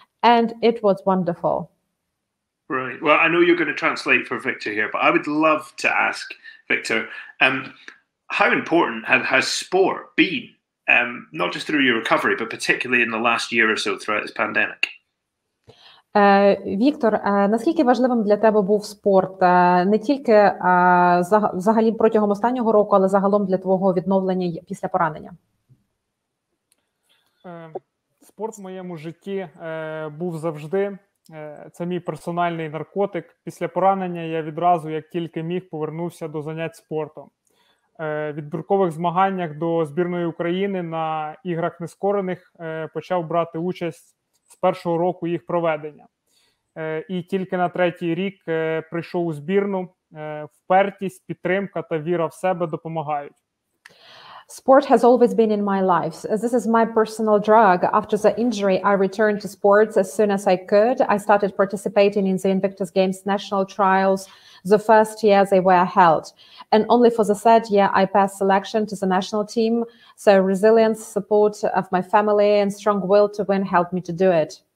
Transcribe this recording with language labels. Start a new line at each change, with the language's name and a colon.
English: And it was wonderful. Right. Well, I know you're going to translate for Victor here, but I would love to ask Victor, how important has sport been, not just through your recovery, but particularly in the last year or so throughout this pandemic?
Ukrainian: Віктор, наскільки важливим для тебе був спорт? Не тільки взагалі протягом останнього року, але загалом для твого відновлення після поранення? Спорт в моєму житті був завжди. Це мій персональний наркотик. Після поранення я відразу, як тільки міг, повернувся до занять спортом. Від дуркових змаганнях до збірної України на іграх нескорених почав брати участь з першого року їх проведення. І тільки на третій рік прийшов у збірну. Впертість, підтримка та віра в себе допомагають.
English: Sport has always been in my life. This is my personal drug. After the injury, I returned to sports as soon as I could. I started participating in the Invictus Games national trials the first year they were held. And only for the third year, I passed selection to the national team. So resilience, support of my family, and strong will to win helped me to do it.